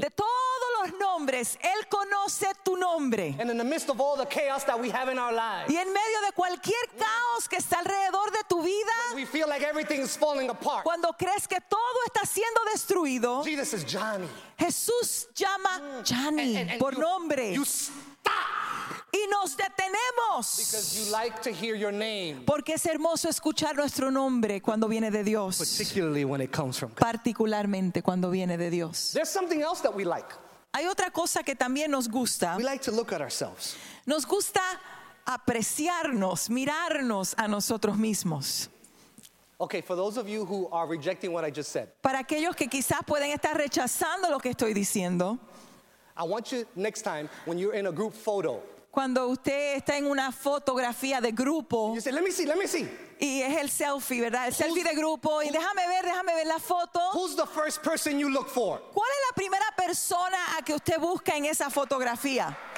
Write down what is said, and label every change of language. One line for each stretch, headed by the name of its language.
Spanish: De todos los nombres, él conoce tu nombre.
English: And in the midst of all the chaos that we have in our lives.
Spanish: Y en medio de cualquier caos que está alrededor de tu vida.
English: When we feel like everything is falling apart.
Spanish: Cuando crees que todo está siendo destruido.
English: Jesus is Johnny.
Spanish: Jesús llama Johnny.
English: And
Spanish: por nombre.
English: You stop.
Spanish: Y nos detenemos.
English: Because you like to hear your name.
Spanish: Porque es hermoso escuchar nuestro nombre cuando viene de Dios.
English: Particularly when it comes from God.
Spanish: Particularmente cuando viene de Dios.
English: There's something else that we like.
Spanish: Hay otra cosa que también nos gusta.
English: We like to look at ourselves.
Spanish: Nos gusta apreciarnos, mirarnos a nosotros mismos.
English: Okay, for those of you who are rejecting what I just said.
Spanish: Para aquellos que quizás pueden estar rechazando lo que estoy diciendo.
English: I want you next time when you're in a group photo.
Spanish: Cuando usted está en una fotografía de grupo.
English: You say, let me see.
Spanish: Y es el selfie, ¿verdad? El selfie de grupo. Y déjame ver la foto.
English: Who's the first person you look for?
Spanish: ¿Cuál es la primera persona a que usted busca en esa fotografía?